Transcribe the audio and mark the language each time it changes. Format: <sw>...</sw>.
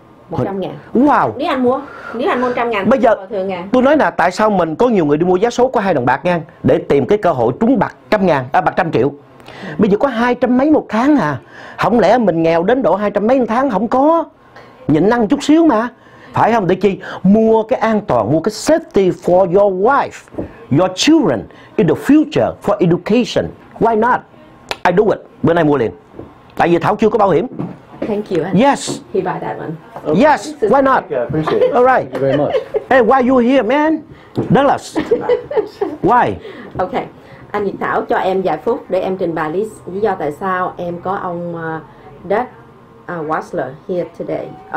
<vi>100 ngàn.</vi> <en>Wow.</en> <vi>Nếu anh mua 100 ngàn. Bây giờ tôi nói là tại sao mình có nhiều người đi mua giá số có 2 đồng bạc ngang để tìm cái cơ hội trúng bạc trăm ngàn, bạc trăm triệu. Bây giờ có 200 mấy một tháng à. Không lẽ mình nghèo đến độ 200 mấy một tháng không có. Nhịn ăn chút xíu mà. Phải không? Để chi? Mua cái an toàn, mua cái</vi> <en>safety for your wife, your children, in the future, for education. Why not? I do it.</en> <vi>Bữa nay mua liền. Tại vì Thảo chưa có bảo hiểm.</vi> <en>Thank you. Yes. He buy that one. Okay. Yes. Why not? Yeah, I appreciate it. All right. Thank you very much. Hey, why you here, man? Dallas. Why? Okay.</en> <vi>Anh Nhị Thảo cho em vài phút để em trình bày lý do tại sao em có ông Doug Wasler</vi> <en>here today.</en>